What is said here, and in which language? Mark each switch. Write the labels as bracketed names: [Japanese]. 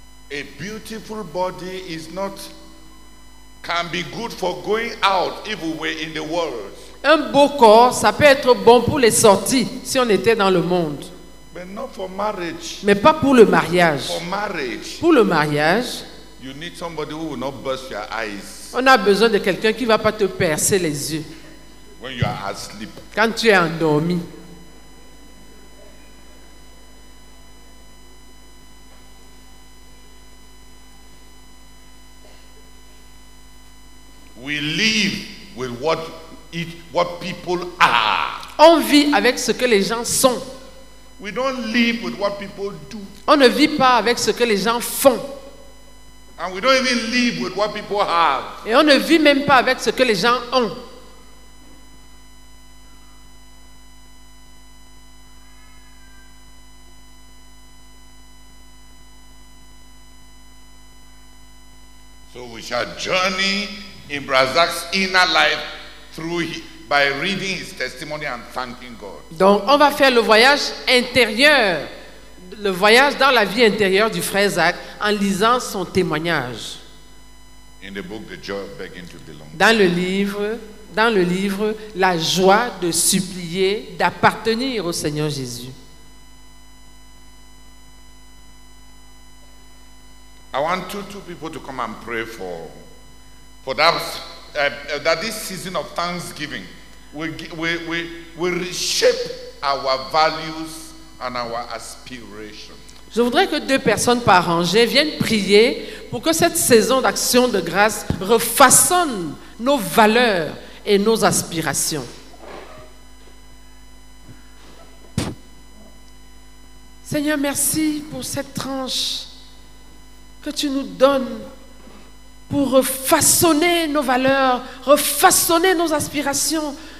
[English] A beautiful body is not can be good for going out if we were in the world. [French] Un beau corps, ça peut être bon pour les sorties si on était dans le monde. [English] But not for marriage. [French] Mais pas pour le mariage. [English] For marriage. [French] Pour le mariage. [English] You need somebody who will not burst your eyes. [French] On a besoin de quelqu'un qui va pas te percer les yeux. [English] When you are asleep. [French] Quand tu es endormi. [English] We live with what people are. [French] On vit avec ce que les gens sont. [English] We don't live with what people do. [French] On ne vit pas avec ce que les gens font. [English] And we don't even live with what people have. [French] Et on ne vit même pas avec ce que les gens ont. [English] So we shall journey in Brazak's inner life through by reading his testimony and thanking God. [French] Donc, on va faire le voyage intérieur, le voyage dans la vie intérieure du frère Zach en lisant son témoignage. [English] In the book, The Joy of Begging to Belong. [French] Dans le livre, La joie de supplier d'appartenir au Seigneur Jésus. [English] I want two people to come and pray for that this season of Thanksgiving will reshape our values and our aspirations. [French] Je voudrais que deux personnes par rangée viennent prier pour que cette saison d'action de grâce refaçonne nos valeurs et nos aspirations. Seigneur, merci pour cette tranche que tu nous donnes pour refaçonner nos valeurs, refaçonner nos aspirations.